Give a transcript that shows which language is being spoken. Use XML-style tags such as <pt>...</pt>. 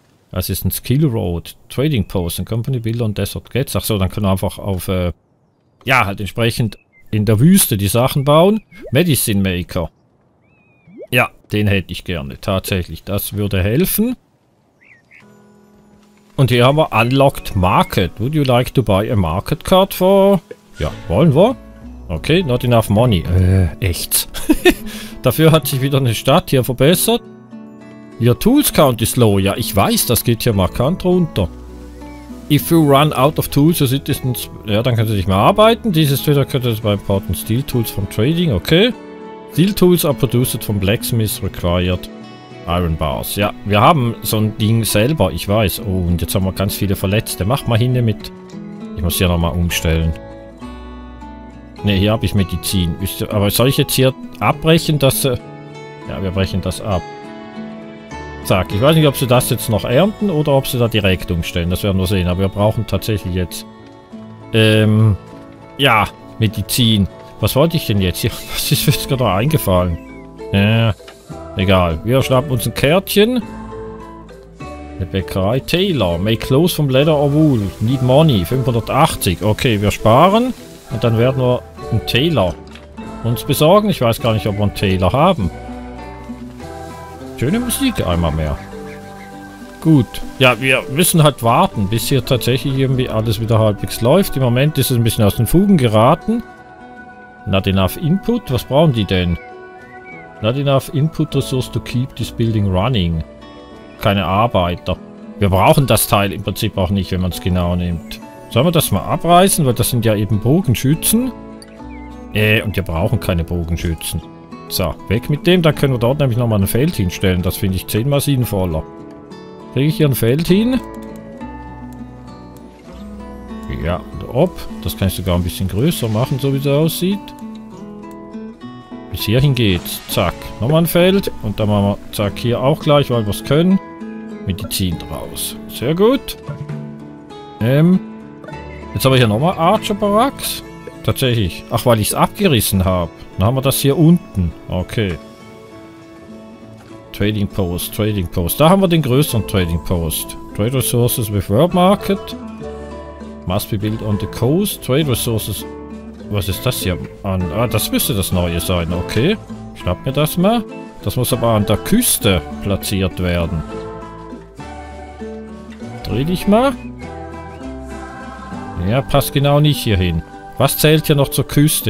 <de>Das ist ein Skill Road. Trading Post, ein Company Builder und Desert Gates. Ach so, dann können wir einfach auf, ja, halt entsprechend in der Wüste die Sachen bauen. Medicine Maker. Ja, den hätte ich gerne, tatsächlich. Das würde helfen. Und hier haben wir Unlocked Market.</de> <en>Would you like to buy a market card for...</en> <de>Ja, wollen wir? Okay,</de> <en>not enough money.</en> <de>Echt. Dafür hat sich wieder eine Stadt hier verbessert.</de> <en>Your tools count is low.</en> <de>Ja, ich weiß, das geht hier markant runter.</de> <en>If you run out of tools, your citizens...</en> <de>Ja, dann können sie nicht mehr arbeiten. Dieses Twitter könnte es bei importen Steel Tools from Trading. Okay.</de> <en>Steel Tools are produced from Blacksmiths required. Iron Bars.</en> <de>Ja, wir haben so ein Ding selber, ich weiß. Oh, und jetzt haben wir ganz viele Verletzte. Mach mal hin mit. Ich muss hier nochmal umstellen. Ne, hier habe ich Medizin. Aber soll ich jetzt hier abbrechen, dass... Ja, wir brechen das ab. Zack, ich weiß nicht, ob sie das jetzt noch ernten oder ob sie da direkt umstellen. Das werden wir sehen. Aber wir brauchen tatsächlich jetzt... Ja, Medizin. Was wollte ich denn jetzt? Was ist jetzt gerade eingefallen? Ja. Egal, wir schnappen uns ein Kärtchen. Eine Bäckerei.</de> <en>Taylor, make clothes from leather or wool. Need money, 580. Okay,</en> <de>wir sparen. Und dann werden wir einen Taylor uns besorgen. Ich weiß gar nicht, ob wir einen Taylor haben. Schöne Musik einmal mehr. Gut. Ja, wir müssen halt warten, bis hier tatsächlich irgendwie alles wieder halbwegs läuft. Im Moment ist es ein bisschen aus den Fugen geraten.</de> <en>Not enough input.</en> <de>Was brauchen die denn?</de> <en>Not enough input resource to keep this building running.</en> <de>Keine Arbeiter. Wir brauchen das Teil im Prinzip auch nicht, wenn man es genau nimmt. Sollen wir das mal abreißen? Weil das sind ja eben Bogenschützen. Und wir brauchen keine Bogenschützen. So, weg mit dem. Da können wir dort nämlich nochmal ein Feld hinstellen. Das finde ich 10 mal sinnvoller. Kriege ich hier ein Feld hin? Ja, und ob. Das kann ich sogar ein bisschen größer machen, so wie es aussieht. Bis hierhin geht's. Zack. Nochmal ein Feld. Und dann machen wir, zack, hier auch gleich, weil wir es können. Medizin draus. Sehr gut. Jetzt haben wir hier nochmal Archer Barracks. Tatsächlich. Ach, weil ich es abgerissen habe. Dann haben wir das hier unten. Okay. Trading Post, Trading Post. Da haben wir den größeren Trading Post.</de> <en>Trade Resources with World Market. Must be built on the coast.</en> <de>Trade Resources... Was ist das hier? Das müsste das neue sein. Okay, schnapp mir das mal. Das muss aber an der Küste platziert werden. Dreh dich mal. Ja, passt genau nicht hier hin. Was zählt hier noch zur Küste?</de>